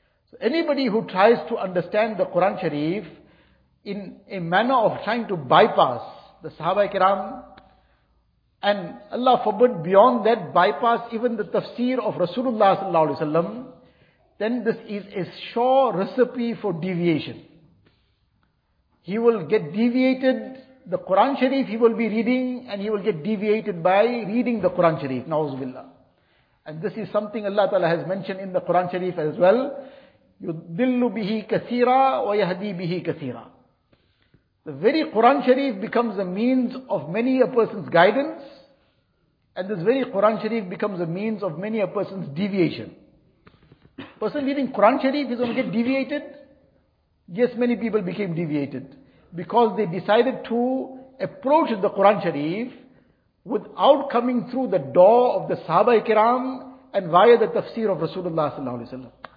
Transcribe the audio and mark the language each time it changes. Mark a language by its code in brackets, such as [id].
[en] So anybody who tries to understand the Quran Sharif in a manner of trying to bypass the Sahaba Ikram, and Allah forbid beyond that bypass even the tafsir of Rasulullah sallallahu alaihi wasallam, then this is a sure recipe for deviation. He will get deviated, the Quran Sharif he will be reading, and he will get deviated by reading the Quran Sharif, na'uz billah. And this is something Allah Ta'ala has mentioned in the Quran Sharif as well. [ar] يُدِّلُّ بِهِ كَثِيرًا وَيَهْدِي بِهِ كَثِيرًا. [en] The very Quran Sharif becomes a means of many a person's guidance, and this very Quran Sharif becomes a means of many a person's deviation. Person reading Quran Sharif is going to get deviated. Yes, many people became deviated because they decided to approach the Quran Sharif without coming through the door of the Sahaba Ikram and via the tafsir of Rasulullah sallallahu alaihi wasallam.